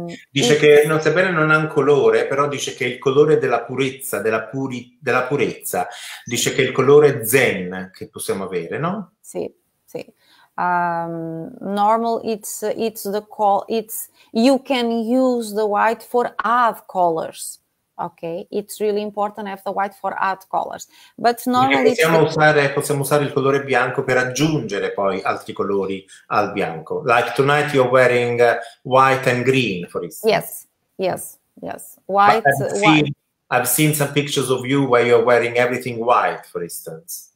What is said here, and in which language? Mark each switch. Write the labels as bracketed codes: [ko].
[it] Dice che non, sebbene non ha un colore, però dice che è il colore della purezza, della purezza. Dice che è il colore zen che possiamo avere, no? Sì, sì. [en] Normal, it's the call. It's you can use the white for other colors. Okay, it's really important to have the white for other colors. But normally [it] possiamo usare il colore bianco per aggiungere poi altri colori al bianco. [en] Like tonight you're wearing white and green, for instance. Yes, yes, yes. White. I've seen some pictures of you where you're wearing everything white, for instance.